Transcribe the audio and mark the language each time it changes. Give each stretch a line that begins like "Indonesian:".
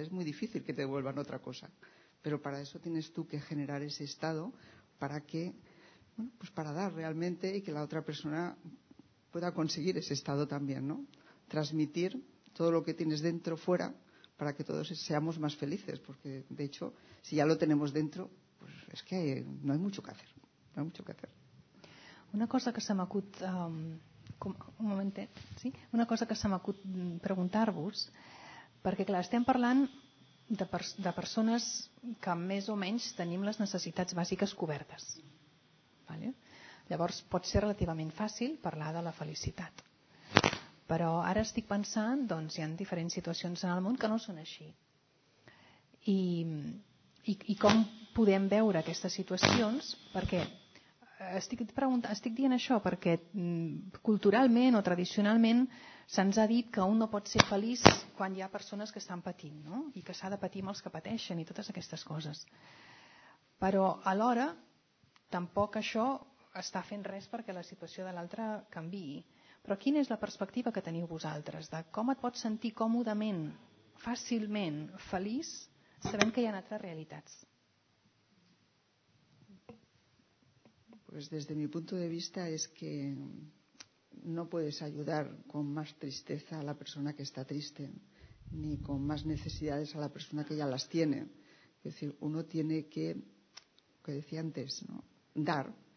Spanish: Es muy difícil que te devuelvan otra cosa. Pero para eso tienes tú que generar ese estado para que, bueno, pues para dar realmente y que la otra persona pueda conseguir ese estado también, ¿no? Transmitir todo lo que tienes dentro fuera para que todos seamos más felices. Porque, de hecho, si ya lo tenemos dentro, pues es que no hay mucho que hacer. No hay mucho que hacer.
Catalan: Una cosa que se m'ha acut, un momentet, sí? Una cosa que se m'ha acut preguntar-vos, perquè clar, estem parlant de persones que més o menys tenim les necessitats bàsiques cobertes. Vale? Llavors pot ser relativament fàcil parlar de la felicitat. Però ara estic pensant, doncs, hi ha diferents situacions en el món que no són així. I com podem veure aquestes situacions? Perquè estic dient això perquè culturalment o tradicionalment se'ns ha dit que un no pot ser feliç quan hi ha persones que estan patint, no? I que s'ha de patir amb els que pateixen i totes aquestes coses. Però alhora, tampoc això està fent res perquè la situació de l'altre canviï. Però quina és la perspectiva que teniu vosaltres de com et pots sentir còmodament, fàcilment, feliç, sabent que hi ha altres realitats?
Spanish: Pues desde mi punto de vista es que no puedes ayudar con más tristeza a la persona que está triste, ni con más necesidades a la persona que ya las tiene. Es decir, uno tiene que decía antes, ¿no? Dar.